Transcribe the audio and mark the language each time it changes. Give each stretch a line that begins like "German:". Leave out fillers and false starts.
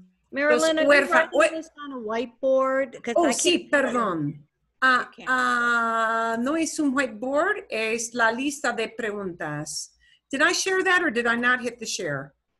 English: Marilyn, are you writing this on a whiteboard?
Spanish: Perdón. No es un whiteboard, es la lista de preguntas.
English: Did I share that or did I not hit the share?